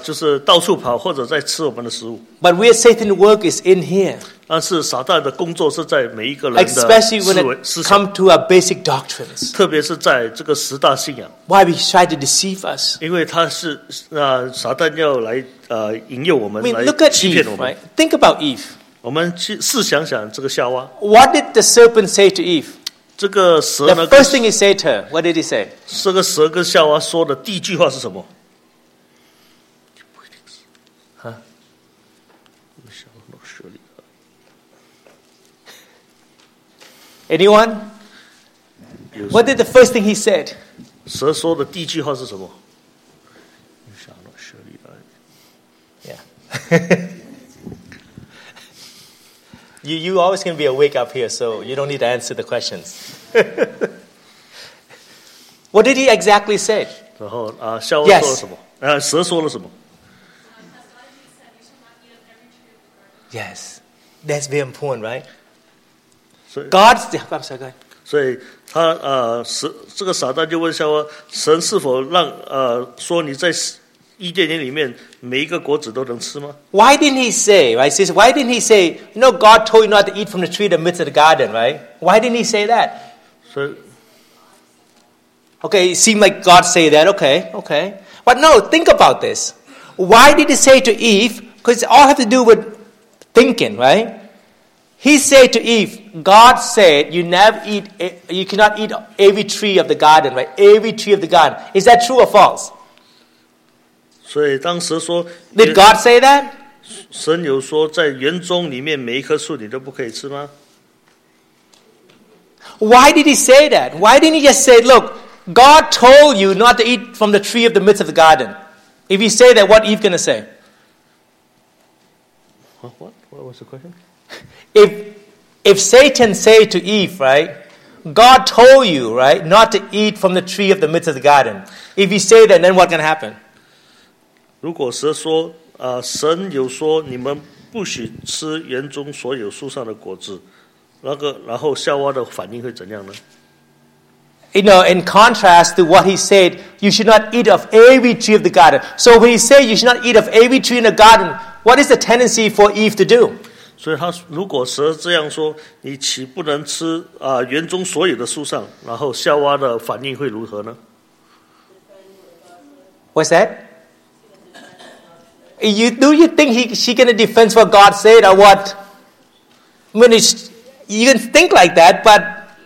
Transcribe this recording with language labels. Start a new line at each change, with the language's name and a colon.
Chinese: 所以现今我们不会看到邪灵就是到处跑或者在吃我们的食物。
English: But where Satan's work is in here.
Chinese: 但是撒旦的工作是在每一个人的思维思想。
English: Especially when it comes to our basic doctrines.
Chinese: 特别是在这个十大信仰。
English: Why he tried to deceive us.
Chinese: 因为他是撒旦要来引诱我们,
English: I mean, look at Eve, right? Think about Eve.
Chinese: 我们去试想想这个夏娃。
English: What did the serpent say to Eve?
Chinese: 这个蛇呢,
English: the first thing he said to her, what did he say?
Chinese: 这个蛇跟夏娃说的第一句话是什么?
English: Anyone? What did the first thing he said?
Chinese: 蛇说的第一句话是什么?
English: You shall not surely die. Yeah. you always can be awake up here, so you don't need to answer the questions. What did he exactly say?
Chinese: 然后，夏娃说了什么？蛇说了什么？
English: Yes. That's very important, right? God's
Chinese: So,这个撒旦就问夏娃，神是否让说你在伊甸园里面每一个果子都能吃吗？
English: Why didn't he say? Right? He says, why didn't he say? You know, God told you not to eat from the tree in the midst of the garden, right? Why didn't he say that? So, okay, it seemed like God say that. Okay, okay. But no, think about this. Why did he say to Eve? Because it all has to do with thinking, right? He said to Eve, God said, you cannot eat every tree of the garden, right? Every tree of the garden. Is that true or false?
Chinese: 所以当时说,
English: did God say that?
Chinese: 神有说在园中里面每一棵树你都不可以吃吗?
English: Why did he say that? Why didn't he just say, look, God told you not to eat from the tree of the midst of the garden. If you say that, what Eve going to say? What was the question? If Satan said to Eve, right, God told you, right, not to eat from the tree of the midst of the garden. If you say that, then what's going to happen?
Chinese: 如果蛇说, 神有说, 你们不许吃园中所有树上的果子, 那个, 然后夏娃的反应会怎样呢?
English: You know, in contrast to what he said, you should not eat of every tree of the garden. So when he said you should not eat of every tree in the garden, what is the tendency for Eve to do?
Chinese: 所以他如果蛇这样说, 你岂不能吃, 园中所有的树上, 然后夏娃的反应会如何呢?
English: What's that? Do you think she can defend what God said or what? I mean, you can think like that, but...